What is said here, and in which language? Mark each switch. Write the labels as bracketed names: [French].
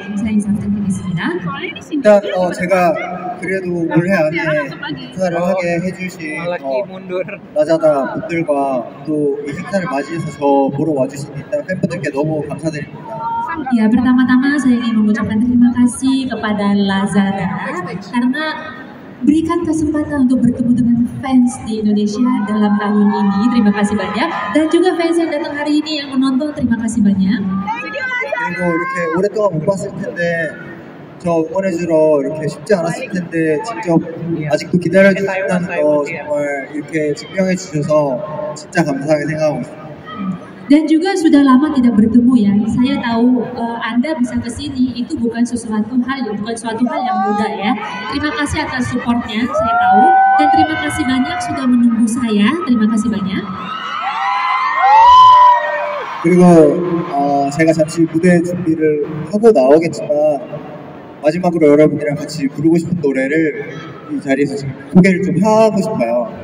[Korean] 감사 인사 드리겠습니다. 일단 제가 그래도 올해 안에 사랑하게 해주신 Lazada 분들과 또 이 행사를 맞이해서 저 보러 와주신 일단 팬분들께 너무 감사드립니다. [Indonesian] Ya, pertama-tama saya ingin mengucapkan terima kasih kepada Lazada karena berikan kesempatan untuk bertemu dengan fans di Indonesia dalam tahun ini. Terima kasih banyak. Dan juga fans yang datang hari ini yang menonton, terima kasih banyak. [English] Thank you, Lazada. [Korean] 그리고 이렇게 오랫동안 못 봤을 텐데 저 응원해 주러 이렇게 쉽지 않았을 텐데 직접 아직도 기다려 주셨다는 거 정말 이렇게 증명해 주셔서 진짜 감사하게 생각하고 있습니다. [Indonesian] Dan juga sudah lama tidak bertemu ya. Saya tahu Anda bisa ke sini itu bukan suatu hal yang mudah ya. Terima kasih atas supportnya, saya tahu. Dan terima kasih banyak sudah menunggu saya. Terima kasih banyak. [Korean] 그리고 제가 잠시 무대 준비를 하고 나오겠지만 마지막으로 여러분들이랑 같이 부르고 싶은 노래를 이 자리에서 소개를 좀 하고 싶어요.